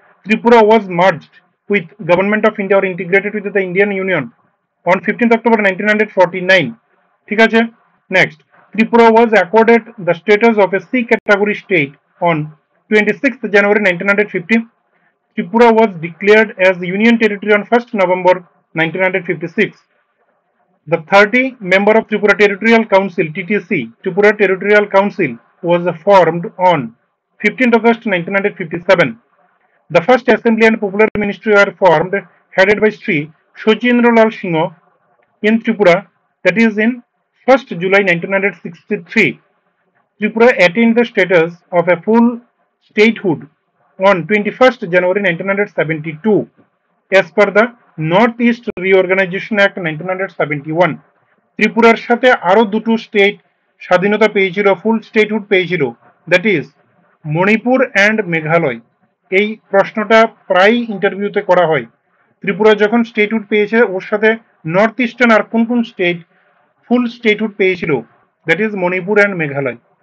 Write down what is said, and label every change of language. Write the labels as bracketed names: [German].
[English] Tripura was merged with government of India or integrated with the Indian union on 15th October 1949। [Bangla] ঠিক আছে [English] Next, Tripura was accorded the status of a C category state on 26th January 1950। Tripura was declared as union territory on 1st November 1956। The 30 member of Tripura Territorial Council, TTC, Tripura Territorial Council, was formed on 15th August 1957. The first assembly and popular ministry were formed, headed by Sri Shochindra Lal Singh in Tripura, that is in 1st July 1963. Tripura attained the status of a full statehood on 21st January 1972, as per the North East Reorganisation Act 1971। [Bangla] ত্রিপুরার সাথে আরও দুটো state স্বাধীনতা পেয়েছিল, ফুল statehood পেয়েছিল, [English] that is [Bangla] Manipur and Meghalaya. এই প্রশ্নটা প্রায়ই ইন্টারভিউতে করা হয়, ত্রিপুরা যখন স্টেটহুড পেয়েছে ওর সাথে নর্থ ইস্টার্ন আর কোন কোন স্টেট ফুল স্টেটহুড পেয়েছিল, [English] that is [Bangla] Manipur and Meghalaya.